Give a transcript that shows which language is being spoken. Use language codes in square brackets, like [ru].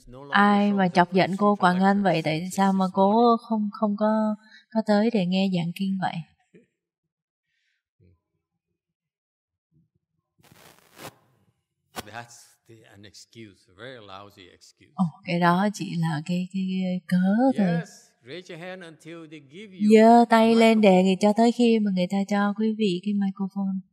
[vi] Ai mà chọc giận cô Quả Ngân vậy? Tại sao mà cô không có tới để nghe giảng kinh vậy? [en] That's an excuse, a very lousy excuse. [vi] Oh, cái đó chỉ là cái cớ thôi. [en] Yes, raise your hand until they give you. [vi] Giơ tay lên để cho tới khi mà người ta cho quý vị cái microphone.